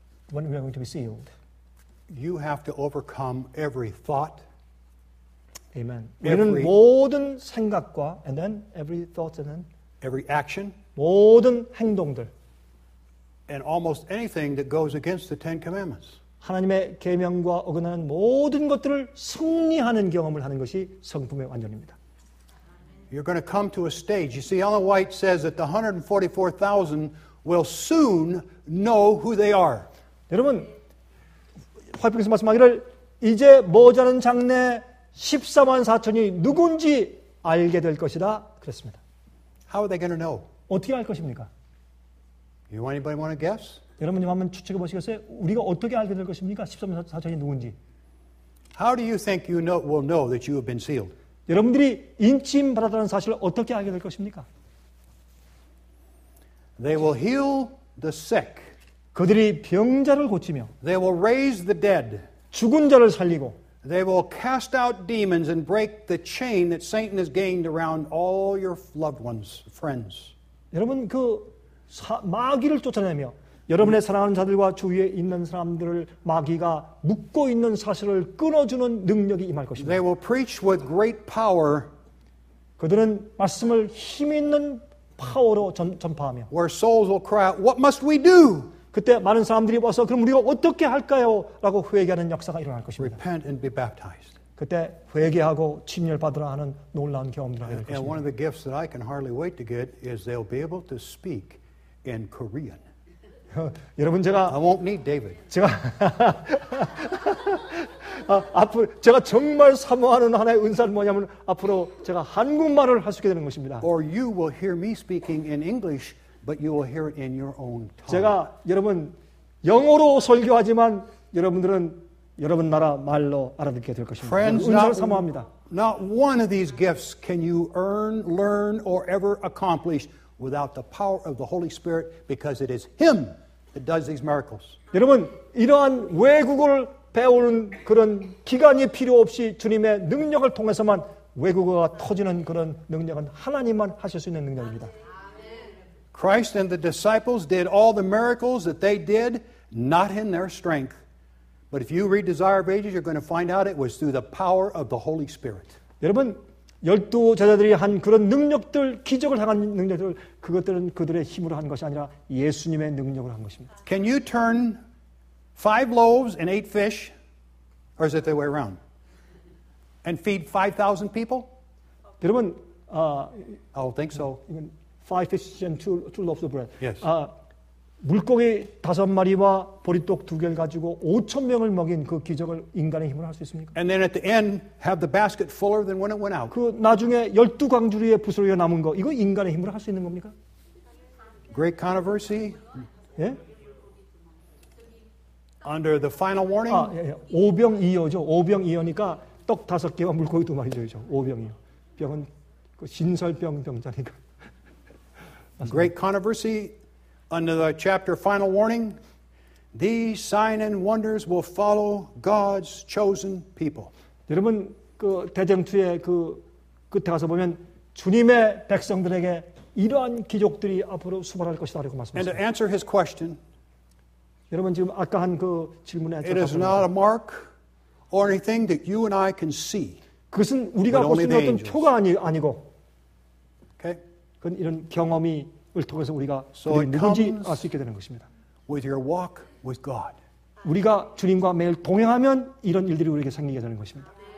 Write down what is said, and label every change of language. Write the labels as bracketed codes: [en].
[en] When we are going to be sealed, you have to overcome every thought. Amen. [ko] 우리는 모든 생각과 [en] and then every thought and then every action, [ko] 모든 행동들 [en] and almost anything that goes against the Ten Commandments. [ko] 하나님의 계명과 어긋나는 모든 것들을 승리하는 경험을 하는 것이 성품의 완전입니다. [en] You're going to come to a stage. You see, Ellen White says that the 144,000 will soon know who they are. [ko] 여러분, 화이프께서 말씀하기를 이제 모자란 장래 14만 4천이 누군지 알게 될 것이다. 그랬습니다. [en] How are they going to know? [ko] 어떻게 알 것입니까? [en] You want anybody want to guess? [ko] 여러분님 한번 추측해 보시겠어요? 우리가 어떻게 알게 될 것입니까? 14만 4천이 누군지. [en] How do you think you know, will know that you have been sealed? [ko] 여러분들이 인침받았다는 사실을 어떻게 알게 될 것입니까? [en] They will heal the sick. [ko] 그들이 병자를 고치며 [en] They will raise the dead. [ko] 죽은 자를 살리고 [en] They will cast out demons and break the chain that Satan has gained around all your loved ones, friends. [ko] 여러분 그 마귀를 쫓아내며 여러분의 사랑하는 자들과 주위에 있는 사람들을 마귀가 묶고 있는 사실을 끊어주는 능력이 임할 것입니다. [en] They will preach with great power. [ko] 그들은 말씀을 힘 있는 파워로 전파하며 [en] Where souls will cry out, "What must we do?" [ko] 그때 많은 사람들이 와서 그럼 우리가 어떻게 할까요? 라고 회개하는 역사가 일어날 것입니다. [en] Repent and be baptized. [ko] 그때 회개하고 침례받으라 하는 놀라운 경험을 하게 될 것입니다. [en] And one of the gifts that I can hardly wait to get is they'll be able to speak in Korean. [ko] 여러분 제가 [en] I won't need David. [ko] 제가 앞으로 제가 정말 사모하는 하나의 은사는 뭐냐면 앞으로 제가 한국말을 할 수 있게 되는 것입니다. [en] Or you will hear me speaking in English, but you will hear it in your own tongue. [ko] 제가 여러분 영어로 설교하지만 여러분들은 여러분 나라 말로 알아듣게 될 것입니다. [en] Friends, [ko] 은사를 사모합니다. [en] Not one of these gifts can you earn, learn, or ever accomplish without the power of the Holy Spirit, because it is Him that does these miracles. [ko] 여러분, 이러한 외국어를 배우는 그런 기간이 필요 없이 주님의 능력을 통해서만 외국어가 터지는 그런 능력은 하나님만 하실 수 있는 능력입니다. [en] Christ and the disciples did all the miracles that they did not in their strength. But if you read Desire of Ages, you're going to find out it was through the power of the Holy Spirit. [ko] 여러분, 열두 제자들이 한 그런 능력들, 기적을 행한 능력들, 그것들은 그들의 힘으로 한 것이 아니라 예수님의 능력으로 한 것입니다. [en] Can you turn 5 loaves and 8 fish, or is it the way around, and feed 5,000 people? [ko] 여러분, [en] I don't think so. 5 fish and 2 loaves of bread. Yes. [ko] 물고기 다섯 마리와 보리떡 두 개를 가지고 5천 명을 먹인 그 기적을 인간의 힘으로 할 수 있습니까? [en] And then at the end, have the basket fuller than when it went out. [ko] 그 나중에 열두 광주리의 부스러기가 남은 거, 이거 인간의 힘으로 할 수 있는 겁니까? [en] Great controversy. [ko] 예? [en] Under the final warning. [ko] 아, 예, 예. 오병이어죠. 오병이어니까 떡 다섯 개와 물고기 두 마리죠, 이죠. 오병이어. 병은 그 신설병 병자니까. [en] Great controversy. Under the chapter final warning, these signs and wonders will follow God's chosen people. [ko] 여러분 그 대쟁투의 그 끝에 가서 보면 주님의 백성들에게 이러한 기적들이 앞으로 수반할 것이다라고 말씀하십니다. [en] And to answer his question, [ko] 여러분 지금 아까 한 그 질문에 [en] it is not a mark or anything that you and I can see. [ko] 그것은 우리가 볼 수 있는 어떤 표가 아니고, [en] okay? [ko] 그건 이런 경험이 통해서 우리가 누군지 알 수 있게 되는 것입니다. [en] With your walk with God. [ko] 우리가 주님과 매일 동행하면 이런 일들이 우리에게 생기게 되는 것입니다.